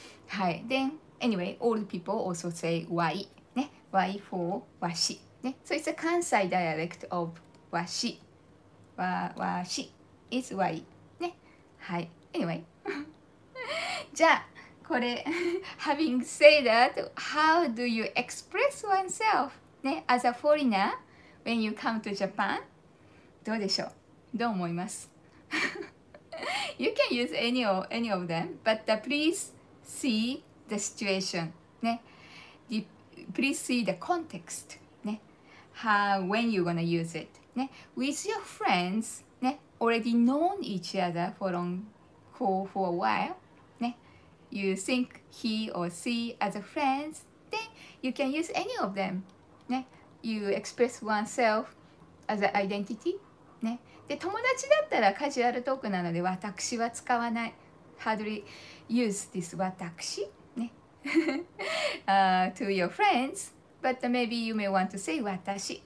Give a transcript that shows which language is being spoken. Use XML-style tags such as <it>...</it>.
<en>はい、then anyway, old people also say Y, ね、Y for わし、ね、so it's a 関西 dialect of わし、わし is Y, ね、はい、anyway,</en> <ja>じゃあこれ</ja> <en>having said that, how do you express oneself, ね、as a foreigner when you come to Japan?</en> <ja>どうでしょう、どう思います？</ja> <en>You can use any of them, but please. See the situation, ね。Please see the context, ね。 How, when you're gonna use it, ね。With your friends, ね。 Already known each other for a while, ね。 You think he or she as a friends, then you can use any of them, ね。 You express oneself as an identity, ね。</en> <ja>で、友達だったらカジュアルトークなので私は使わない。</ja> <en>Hardly use this 私、ね、to your friends, but maybe you may want to say 私。</en>